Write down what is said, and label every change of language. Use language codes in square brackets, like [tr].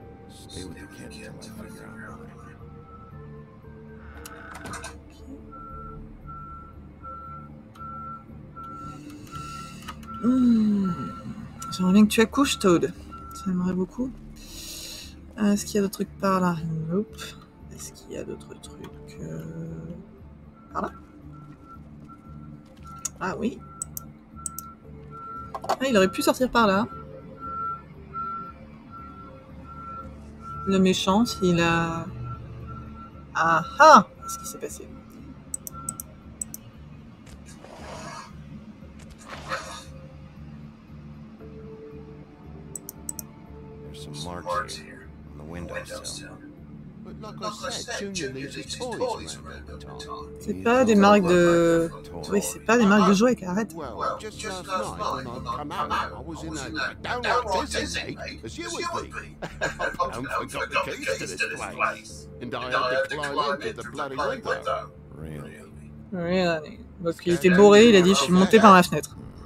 [en] Stay with the kid until I figure out why. [fr] J'aimerais que tu accouches, Toad. J'aimerais beaucoup. Est-ce qu'il y a d'autres trucs par là? Nope. Est-ce qu'il y a d'autres trucs par là? Ah oui. Ah, il aurait pu sortir par là. Le méchant, s'il a... Ah ah! Qu'est-ce qui s'est passé? [en] There's some marks here on the windowsill. But like I said, Junior leaves his toys around the top. [fr] C'est pas des marques de... Oui, c'est pas des marques de jouets, arrête. [en] Well, just last night when I come out, I was in a downright dizzy state, as you would be. I forgot the keys to this place. And I had to climb into the bloody window. Really? Really? [fr] Parce qu'il était bourré, il a dit, je suis monté par la fenêtre.